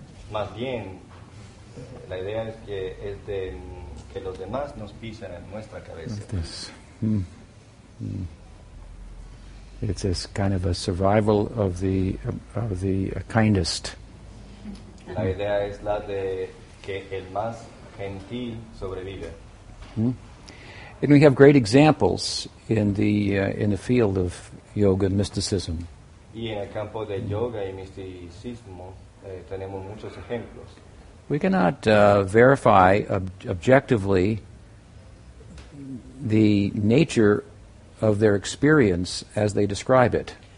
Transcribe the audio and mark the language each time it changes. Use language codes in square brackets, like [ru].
[es] Más bien, la idea es que es de que los demás nos pisen en nuestra cabeza. [en] Like this. It's this kind of a survival of the kindest. [es] La idea es la de que el más gentil sobrevive. [en] And we have great examples in the field of yoga and mysticism. [es] Y en el campo de yoga y misticismo tenemos muchos ejemplos. [en] We cannot verify objectively the nature of their experience as they describe it.